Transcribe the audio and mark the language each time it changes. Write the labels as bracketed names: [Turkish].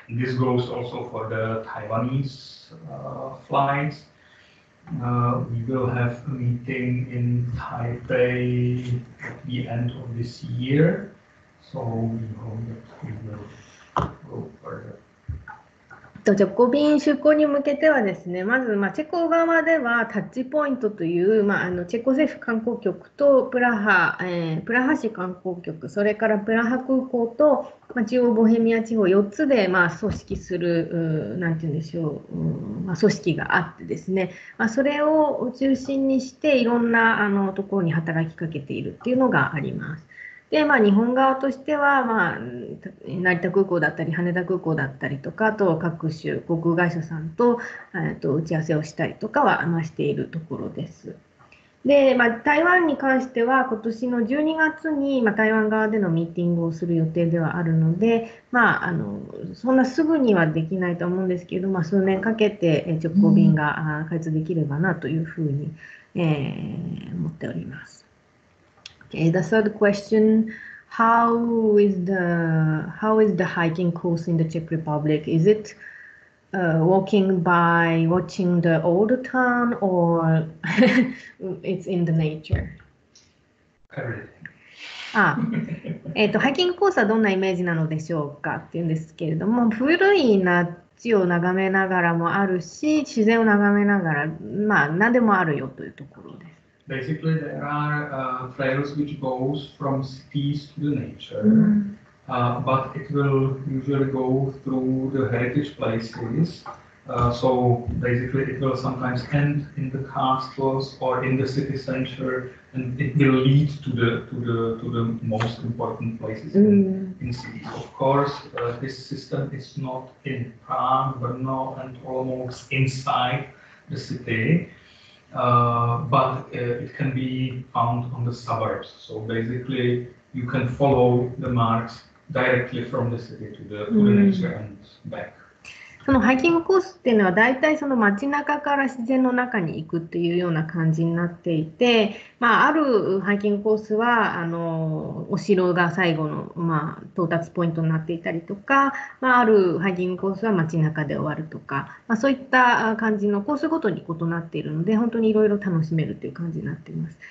[English] And this goes also for the Taiwanese flights. We will have a meeting in Taipei at the end of this year, so we hope that we will. [Japanese] ジョコビン出航に向けてはですね、まず、まあ、チェコ側ではタッチポイントという、まあ、あのチェコ政府観光局とプラハ、プラハ市観光局、それからプラハ空港と、まあ、中央ボヘミア地方4つで、まあ、組織する、なんて言うんでしょう、まあ、組織があってですね、まあ、それを中心にしていろんなあのところに働きかけているっていうのがあります。でまあ、日本側としては、まあ、成田空港だったり羽田空港だったりとか、あと各種航空会社さんと、打ち合わせをしたりとかはしているところです。で、まあ、台湾に関しては今年の12月に、まあ、台湾側でのミーティングをする予定ではあるので、まあ、あのそんなすぐにはできないと思うんですけど、まあ、数年かけて直行便が開通できればなというふうに、思っております。 [English] The third question: How is the hiking course in the Czech Republic? Is it walking by watching the old town, or it's in the nature? Everything. [Japanese] ハイキングコースはどんなイメージなのでしょうかっていうんですけれども、古い街を眺めながらもあるし、自然を眺めながら、まあ何でもあるよというところです。 [English] Basically, there are trails which go from cities to the nature, but it will usually go through the heritage places. So basically, it will sometimes end in the castles or in the city center, and it will lead to the most important places in cities. Of course, this system is not in Prague, Brno, and Olomouc inside the city. But it can be found on the suburbs. So basically, you can follow the marks directly from the city to the nature and back. [Japanese] そのハイキングコースっていうのは、だいたいその街中から自然の中に行くっていうような感じになっていて、まあ、あるハイキングコースはあのお城が最後の、まあ、到達ポイントになっていたりとか、まあ、あるハイキングコースは街中で終わるとか、まあ、そういった感じのコースごとに異なっているので、本当にいろいろ楽しめるという感じになっています。